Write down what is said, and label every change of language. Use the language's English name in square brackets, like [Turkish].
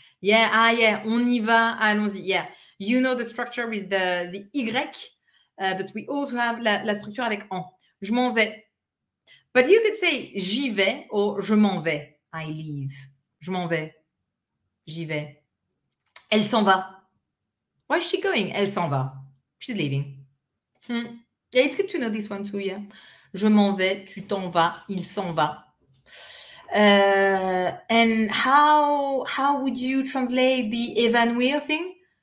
[English] Yeah, [French] on y va, allons-y. [English] Yeah, you know the structure with the Y, but we also have [French] la structure avec en. Je m'en vais. [English] But you could say [French] j'y vais [English] or [French] je m'en vais. [English] I leave. [French] Je m'en vais. J'y vais. Elle s'en va. [English] Where is she going? [French] Elle s'en va. [English] She's leaving. Yeah, it's good to know this one too, yeah. [French] Je m'en vais, tu t'en vas, il s'en va. [English] And how would you translate the évanouir thing?